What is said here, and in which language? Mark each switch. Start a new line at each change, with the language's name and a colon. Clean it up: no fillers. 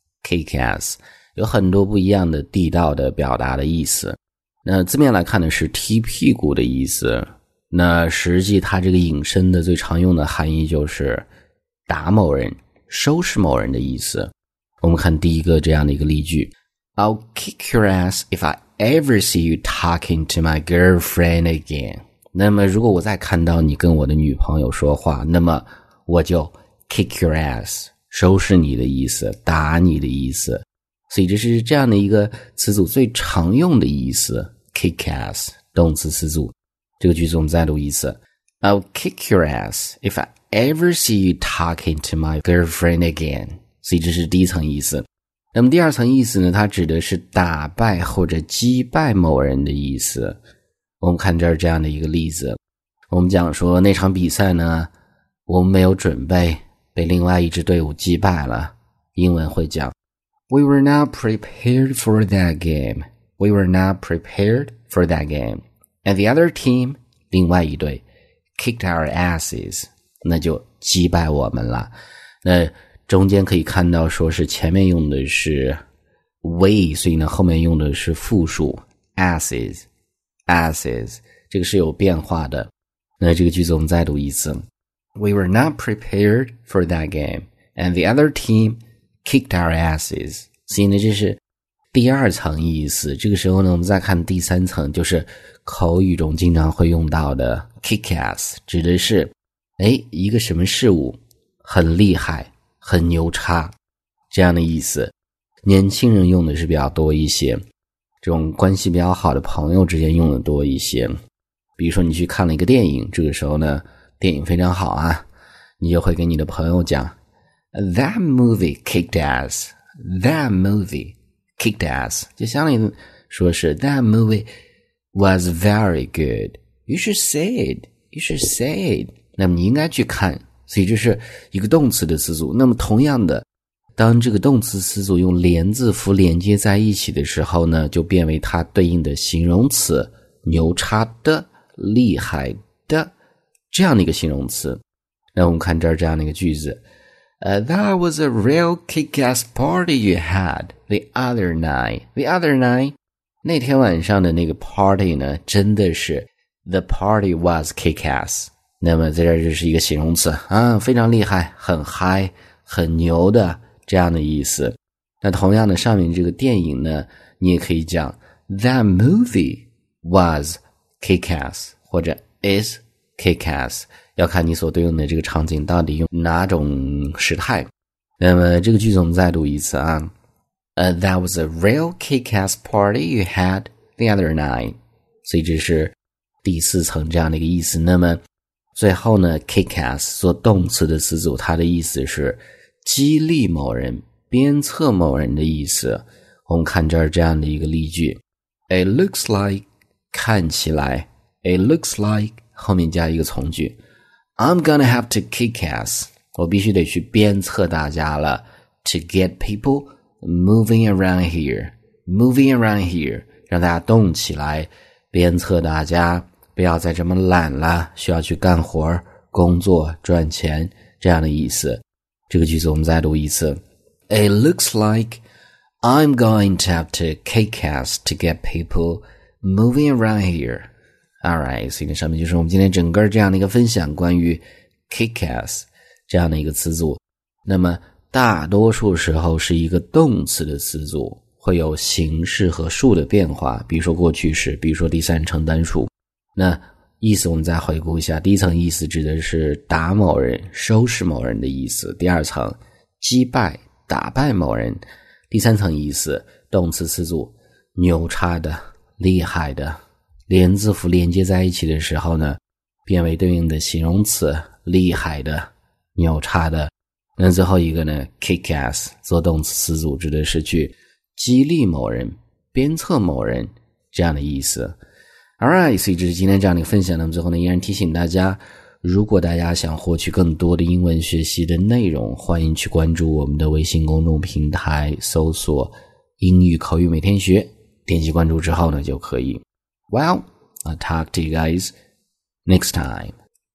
Chinese: kick-ass 有很多不一样的地道的表达的意思。那字面来看的是踢屁股的意思。那实际它这个引申的最常用的含义就是打某人、收拾某人的意思。我们看第一个这样的一个例句。
English: I'll kick your ass if I ever see you talking to my girlfriend again.
Chinese: 那么如果我再看到你跟我的女朋友说话，那么我就
English: kick your ass,
Chinese: 收拾你的意思，打你的意思。所以这是这样的一个词组最常用的意思， kick ass, 动词词组。这个句子我们再读一次。
English: I'll kick your ass if I ever see you talking to my girlfriend again.
Chinese: 所以这是第一层意思。那么第二层意思呢，它指的是打败或者击败某人的意思。我们看这儿这样的一个例子。我们讲说那场比赛呢，我们没有准备，被另外一支队伍击败了。英文会讲
English: We were not prepared for that game. We were not prepared for that game. And the other team,
Chinese: 另外一队
English: kicked our asses.
Chinese: 那就击败我们了。那中间可以看到说是前面用的是 we, 所以呢后面用的是复数 asses, asses, 这个是有变化的。那这个句子我们再读一次。
English: We were not prepared for that game, and the other team kicked our asses.
Chinese: 所以呢这是第二层意思。这个时候呢我们再看第三层，就是口语中经常会用到的 kick ass, 指的是诶一个什么事物很厉害。很牛叉这样的意思，年轻人用的是比较多一些，这种关系比较好的朋友之间用的多一些。比如说你去看了一个电影，这个时候呢电影非常好啊，你就会跟你的朋友讲
English: That movie kicked ass, That movie kicked ass, 就相当于说是 That movie was very good, You should see it,
Chinese: You should see it, 那么你应该去看。所以这是一个动词的词组。那么同样的，当这个动词词组用连字符连接在一起的时候呢，就变为它对应的形容词，牛叉的、厉害的这样的一个形容词。那我们看这儿这样的一个句子。
English: That was a real kick-ass party you had the other night. The other night,
Chinese: 那天晚上的那个 party 呢，真的是
English: The party was kick-ass.
Chinese: 那么在这儿就是一个形容词啊，非常厉害，很嗨，很牛的这样的意思。那同样的，上面这个电影呢，你也可以讲
English: That movie was kick-ass
Chinese: 或者
English: is kick-ass，
Chinese: 要看你所对应的这个场景到底用哪种时态。那么这个句子我们再读一次啊。
English: That was a real kick-ass party you had the other night，
Chinese: 所以这是第四层这样的一个意思。那么最后呢 kick-ass 做动词的词组，它的意思是激励某人、鞭策某人的意思。我们看这儿这样的一个例句。
English: It looks like,
Chinese: 看起来 ,It looks like, 后面加一个从句。
English: I'm gonna have to kick-ass,
Chinese: 我必须得去鞭策大家了 ,
English: to get people moving around here,
Chinese: moving around here, 让大家动起来，鞭策大家。不要再这么懒了，需要去干活、工作、赚钱这样的意思。这个句子我们再读一次。
English: It looks like I'm going to have to kick ass to get people moving around here. Alright,
Chinese: 所以上面就是我们今天整个这样的一个分享，关于 kick ass 这样的一个词组。那么大多数时候是一个动词的词组，会有形式和数的变化，比如说过去式，比如说第三人称单数。那意思我们再回顾一下，第一层意思指的是打某人、收拾某人的意思，第二层击败、打败某人，第三层意思动词词组牛叉的、厉害的，连字符连接在一起的时候呢，变为对应的形容词厉害的、牛叉的。那最后一个呢 kick ass 做动词词组，指的是去激励某人、鞭策某人这样的意思。
English: Alright,
Chinese: 所以这是今天这样的一个分享。那么最后呢，依然提醒大家，如果大家想获取更多的英文学习的内容，欢迎去关注我们的微信公众平台，搜索英语口语每天学，点击关注之后呢就可以。
English: Well, I'll talk to you guys next time.